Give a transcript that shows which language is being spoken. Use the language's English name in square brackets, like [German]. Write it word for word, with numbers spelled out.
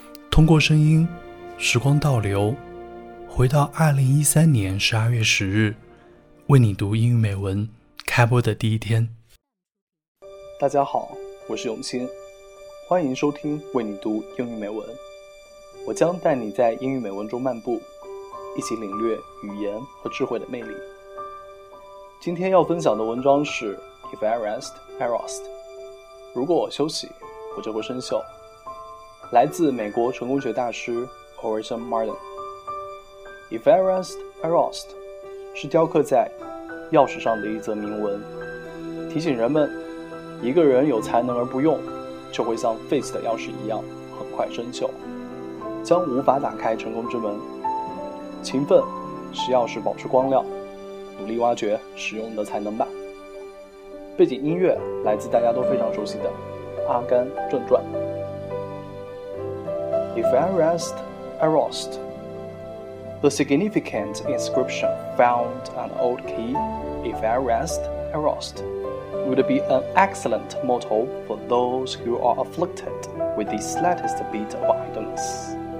[Chinese] 通过声音，时光倒流，回到二零一三年十二月十日，为你读英语美文开播的第一天。大家好，我是永新，欢迎收听为你读英语美文。我将带你在英语美文中漫步，一起领略语言和智慧的魅力。今天要分享的文章是 [English] If I rest, I rust。 [Chinese] 如果我休息，我就会生锈。来自美国成功学大师 Orson Martin。 [English] If I rest, I rust [Chinese] 是雕刻在钥匙上的一则铭文，提醒人们，一个人有才能而不用，就会像废弃的钥匙一样很快生锈，将无法打开成功之门。勤奋使钥匙保持光亮，努力挖掘使用的才能吧。背景音乐来自大家都非常熟悉的《阿甘正传》。 [English] If I rest, I rust. The significant inscription found on an old key, If I rest, I rust. would be an excellent motto for those who are afflicted with the slightest bit of idleness.